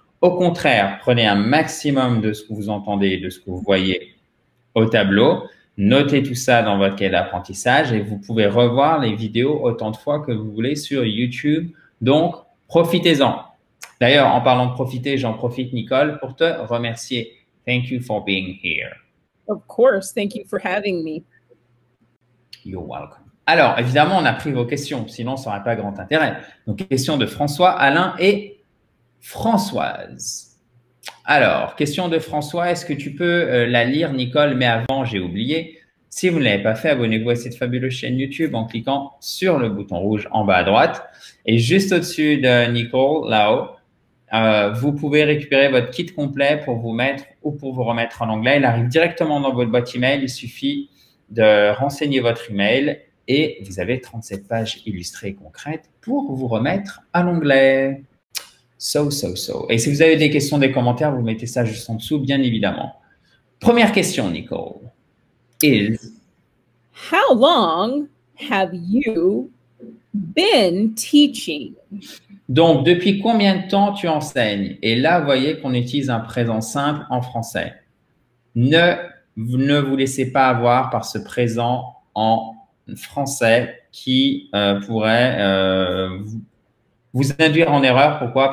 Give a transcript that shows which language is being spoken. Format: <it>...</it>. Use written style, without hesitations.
<fr>Au contraire, prenez un maximum de ce que vous entendez, de ce que vous voyez au tableau. Notez tout ça dans votre cahier d'apprentissage et vous pouvez revoir les vidéos autant de fois que vous voulez sur YouTube. Donc, profitez-en. D'ailleurs, en parlant de profiter, j'en profite, Nicole, pour te remercier.</fr> <en>Thank you for being here. Of course, thank you for having me. You're welcome.</en> <fr>Alors, évidemment, on a pris vos questions, sinon ça n'aurait pas grand intérêt. Donc, question de François, Alain et Françoise. Alors, question de François, est-ce que tu peux la lire, Nicole? Mais avant, j'ai oublié. Si vous ne l'avez pas fait, abonnez-vous à cette fabuleuse chaîne YouTube en cliquant sur le bouton rouge en bas à droite. Et juste au-dessus de Nicole, là-haut, vous pouvez récupérer votre kit complet pour vous mettre ou pour vous remettre en anglais. Il arrive directement dans votre boîte email. Il suffit de renseigner votre email et vous avez 37 pages illustrées et concrètes pour vous remettre à l'anglais. So. Et si vous avez des questions, des commentaires, vous mettez ça juste en dessous, bien évidemment. Première question, Nicole, is...</fr> <en>How long have you been teaching?</en> <fr>Donc, depuis combien de temps tu enseignes? Et là, vous voyez qu'on utilise un présent simple en français. Ne vous laissez pas avoir par ce présent en français qui pourrait vous induire en erreur. Pourquoi?</fr>